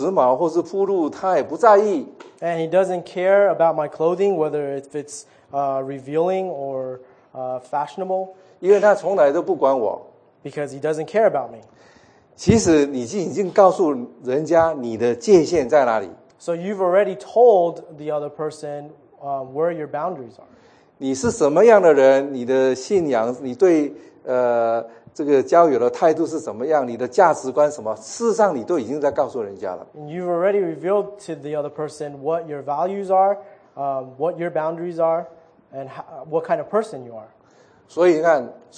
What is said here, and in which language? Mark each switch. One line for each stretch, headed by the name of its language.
Chinese: 他让我穿衣服穿的多么的时髦或是暴露，他也不在意。
English: And he doesn't care about my clothing, whether if it's revealing or fashionable.
Chinese: 因为他从来都不管我。
English: Because he doesn't care about me.
Chinese: 其实你已经告诉人家你的界限在哪里。
English: So you've already told the other person where your boundaries are.
Chinese: 你是什么样的人，你的信仰，你对这个交友的态度是怎么样，你的价值观什么，事实上你都已经在告诉人家了。
English: You've already revealed to the other person what your values are, what your boundaries are, and what kind of person you are.